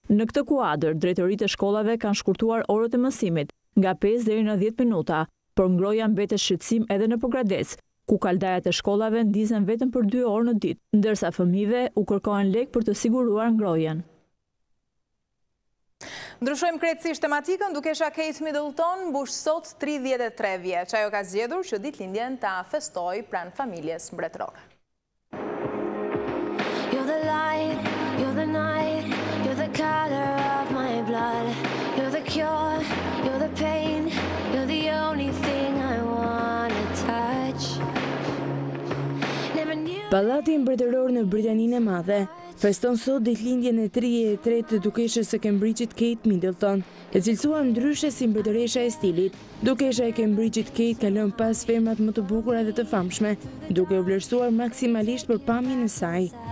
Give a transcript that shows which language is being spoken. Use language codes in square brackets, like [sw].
[sq] Në këtë kuadër, drejtorit e shkollave kanë shkurtuar orët e mësimit nga 5 deri në 10 minuta, por ngroja mbetet shqetësim edhe në Pogradec, ku kaldajat e shkollave ndizen vetëm për 2 orë në ditë, ndërsa fëmijëve u kërkohen lekë për të siguruar ngrojen. Ndryshojmë krejtësisht tematikën, dukesha Kate Middleton mbush sot 33 vjeç. Ajo ka zgjedhur që ditëlindjen ta festoj pranë familjes mbretërore. [en] You're the light, you're the night. The color of my blood, you're the cure, you're the pain, you're the only thing I wanna touch. [sq] Palati mbretëror në Britaninë e Madhe feston sot ditëlindjen e 33 të dukeshës së Cambridge-it Kate Middleton, e cilësua ndryshe si mbretëresha e stilit. Dukesha e Cambridge-it Kate ka lënë pas femrat më të bukura dhe të famshme, duke u vlerësuar maksimalisht për pamjen e saj.